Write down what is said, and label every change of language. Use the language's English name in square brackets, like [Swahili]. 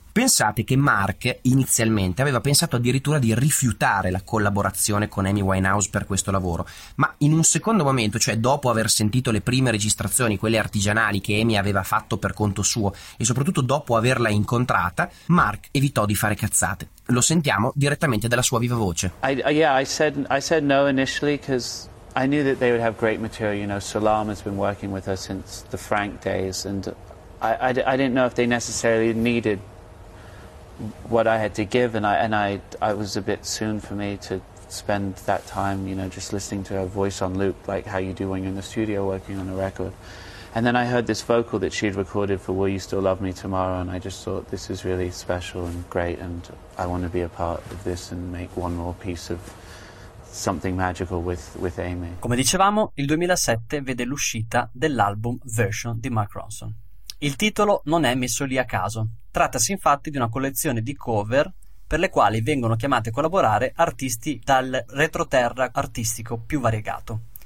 [Italian] Pensate che Mark inizialmente aveva pensato addirittura di rifiutare la collaborazione con Amy Winehouse per questo lavoro, ma in un secondo momento, cioè dopo aver sentito le prime registrazioni, quelle artigianali che Amy aveva fatto per conto suo, e soprattutto dopo averla incontrata, Mark evitò di fare cazzate. Lo sentiamo direttamente dalla sua viva voce. [English] I said no initially because I knew that they would have great material, you know. Salam has been working with us since the Frank days and I didn't know if they necessarily needed what I had to give, and I was a bit soon for me to spend that time, you know, just listening to her voice on loop, like how you do when you're in the studio working on a record. And then I heard this vocal that she'd recorded for Will You Still Love Me Tomorrow, and I just thought, this is really special and great, and I want to be a part of this and make one more piece of something magical with Amy. [Italian] Come dicevamo, il 2007 vede l'uscita dell'album Version di Mark Ronson. Il titolo non è messo lì a caso. Trattasi infatti di una collezione di cover per le quali vengono chiamate a collaborare artisti dal retroterra artistico più variegato.